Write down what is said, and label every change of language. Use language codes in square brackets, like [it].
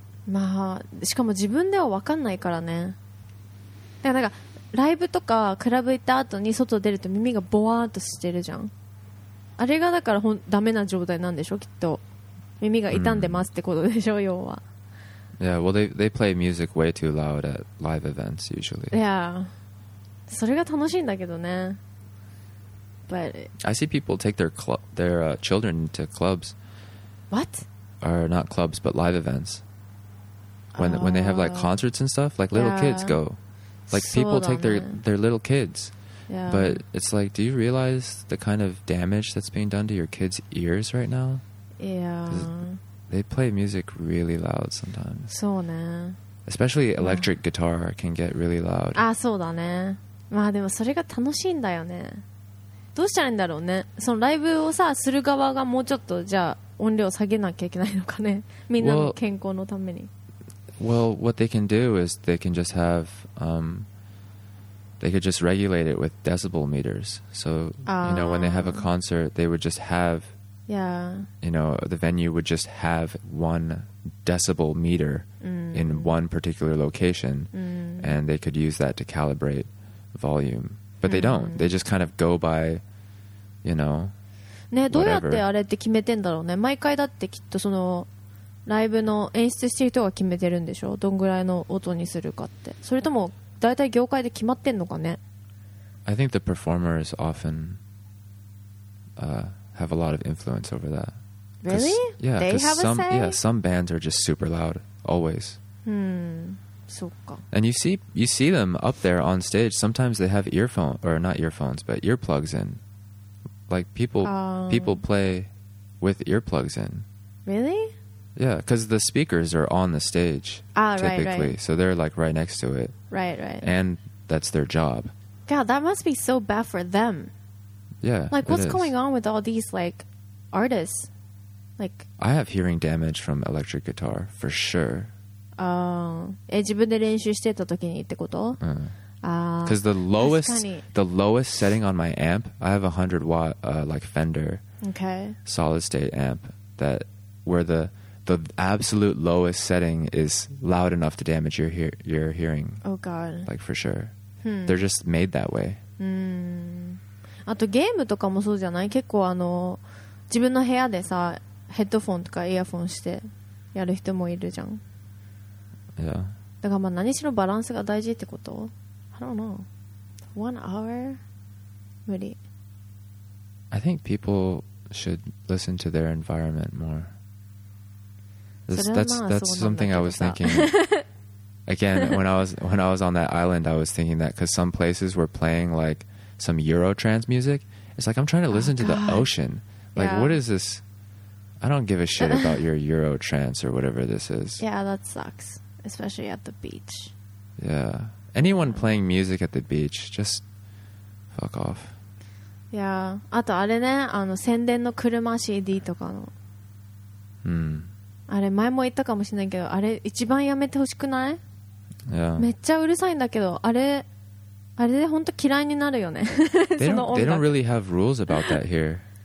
[ja] まあ、しかも自分では分かんないからね。だからなんか、ライブとかクラブ行った後に外出ると耳がボワーっとしてるじゃん。あれがだからダメな状態なんでしょ、きっと。耳が痛んでますってことでしょ、要は。 [en] Yeah, well, they play music way too loud at live events, usually. Yeah. [ja] それが楽しいんだけどね。 [en] But... I see people take their children to clubs. What? Or not clubs, but live events. When they have, like, concerts and stuff, like, little kids go. Like, people take their little kids... Yeah. But it's like, do you realize the kind of damage that's being done to your kids' ears right now? Yeah. They play music really loud sometimes. [ja] そうね。 [en] Especially electric guitar can get really loud. [ja] あ、そうだね。まあでもそれが楽しいんだよね。どうしたらいいんだろうね。そのライブをさ、する側がもうちょっとじゃあ音量下げなきゃいけないのかね。みんなの健康のために。 [en] Well, what they can do is they can just have... They could just regulate it with decibel meters. So, you know, when they have a concert, they would just have, you know, the venue would just have one decibel meter in one particular location, and they could use that to calibrate volume. But they don't. They just kind of go by, you know, whatever. [ja] ね、どうやってあれって決めてんだろうね。毎回だってきっとその、ライブの演出してる人が決めてるんでしょ、どんぐらいの音にするかって。それともだいたい業界で決まってんのかね。 [en] I think the performers often、have a lot of influence over that. Really? Yeah, they have some, a say? Yeah, some bands are just super loud, always. [ja] Hmm. そうか。 [en] And you see them up there on stage. Sometimes they have earphones, or not earphones, but earplugs in. Like people play with earplugs in. Really? Yeah, because the speakers are on the stage. Ah, typically, right, right. So they're like right next to it. Right, right. And that's their job. God, that must be so bad for them. Yeah. Like, what's going on with all these like artists? Like, I have hearing damage from electric guitar for sure. [ja] 自分で練習してた時にってこと、うん、ああ、 [en] Because the lowest setting on my amp, I have a 100 watt、like Fender、 okay. solid state amp that where the absolute lowest setting is loud enough to damage your hearing. Oh god. Like for sure.、They're just made that way.、 [ja] あとゲームとかもそうじゃない？結構自分の部屋でさ、ヘッドフォンとかイヤフォンしてやる人もいるじゃん。 [en] Yeah. [ja] だからまあ何しろバランスが大事ってこと? [en] I don't know. 1 hour? [ja] 無理。 [en] I think people should listen to their environment more. That's something I was thinking. Again, when I was on that island, I was thinking that because some places were playing like some Eurotrance music. It's like I'm trying to listen、 oh, God. the ocean. Like、 yeah. what is this? I don't give a shit about your Eurotrance or whatever this is. Yeah, that sucks. Especially at the beach. Yeah. Anyone playing music at the beach, just fuck off. [ja] Yeah. あとあれね、宣伝の車 CD とかの。あれ前も言ったかもしれないけど、あれ一番やめてほしくない？ Yeah. めっちゃうるさいんだけど、あれで本当嫌いになるよね。 [en] They don't really have rules about that here.